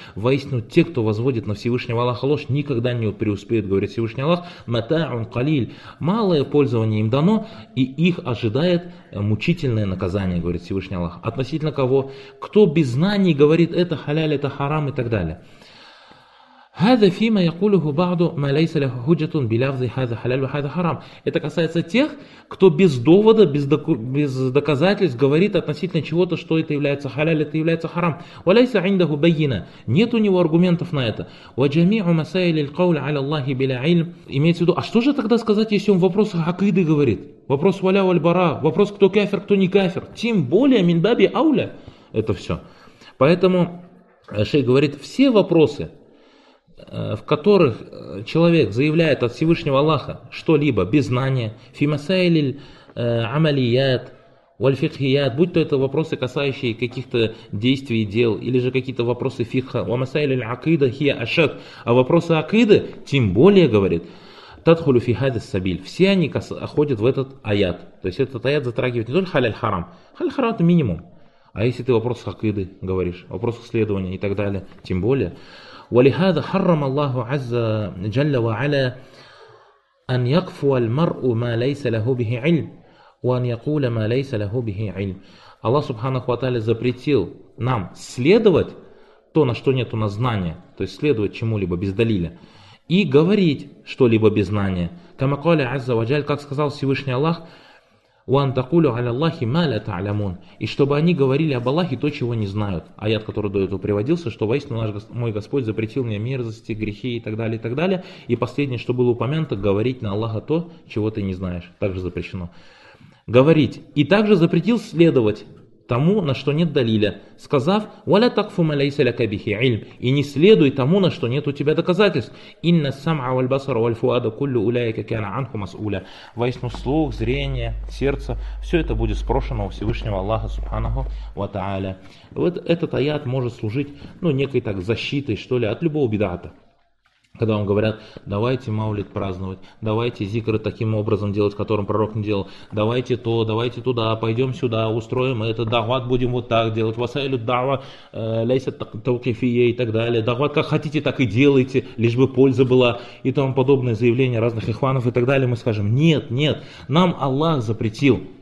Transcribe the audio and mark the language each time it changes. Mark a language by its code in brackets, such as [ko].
[ru] Воистину, те, кто возводит на Всевышнего Аллаха ложь, никогда не преуспеют, говорит Всевышний Аллах. [ar] «Матаун калиль», [ru] малое пользование им дано, и их ожидает мучительное наказание, говорит Всевышний Аллах. Относительно кого? Кто без знаний говорит, это халяль, это харам и так далее. [ar] هذا فيما يقوله بعض ما ليس له حجة بلفظ هذا حلال وهذا حرام. [ru] Это касается тех, кто без довода, без доказательств говорит относительно чего-то, что это является халяль, это является харам. [ar] وليس عنده بينة. [ru] Нет у него аргументов на это. [ar] وجميع مسائل القول على الله بلا علم. [ru] Имеется в виду, а что же тогда сказать, если он в вопросах акиды говорит? Вопрос валя вальбара, вопрос кто кафир, кто не кафир. Тем более [ar] мин баби ауля. [ru] Это все. Поэтому шейх говорит, все вопросы, в которых человек заявляет от Всевышнего Аллаха что-либо без знания, [ar] фимасаилиль амалият, вальфихият, [ru] будь то это вопросы, касающие каких-то действий и дел, или же какие-то вопросы фикха, [ar] вамасаилиль акида хия ашад, [ru] а вопросы акиды, тем более, говорит, [ar] татхулю фихадис сабиль, [ru] все они ходят в этот аят. То есть этот аят затрагивает не только халяль харам, халяль харам это минимум, а если ты вопрос акиды говоришь, вопрос следования и так далее, тем более. [ar] ولهذا حرم الله عز جل وعلا أن يقفو المرء ما ليس له به علم وأن يقول ما ليس له به علم. [ru] Аллах субханаху ва тааля запретил нам следовать то, на что нет у нас знания, то есть следовать чему-либо без далиля, и говорить что-либо без знания. [ar] كما قال عز وجل, [ru] как сказал Всевышний Аллах, [ar] وأن تقولوا على الله ما لا تعلمون, [ru] и чтобы они говорили об Аллахе то, чего не знают. Аят, который до этого приводился, что воистину наш мой Господь запретил мне мерзости, грехи и так далее, и так далее. И последнее, что было упомянуто, говорить на Аллаха то, чего ты не знаешь. Также запрещено говорить. И также запретил следовать тому, на что нет далиля, сказав: [ar] وَلَا تَقْفُ مَا لَيْسَ لَكَ بِهِ عِلْمٍ, [ru] и не следуй тому, на что нет у тебя доказательств. [ar] إِنَّ السَّمْعَ وَالْبَصَرَ وَالْفُؤَادَ كُلُّ أُولَٰئِكَ كَانَ عَنْهُ مَسْئُولًا. [ru] Воистину, слух, зрение, сердце, все это будет спрошено у Всевышнего Аллаха субханаху ва тааля. Вот этот аят может служить, ну, некой так защитой, что ли, от любого бидата. Когда вам говорят, давайте маулид праздновать, давайте зикры таким образом делать, которым пророк не делал, давайте то, давайте туда, пойдем сюда, устроим это, дават будем вот так делать, [ar] васайлю дава, лейся таукифия [ru] и так далее, дават как хотите, так и делайте, лишь бы польза была, и тому подобное заявление разных ихванов и так далее, мы скажем, нет, нет, нам Аллах запретил.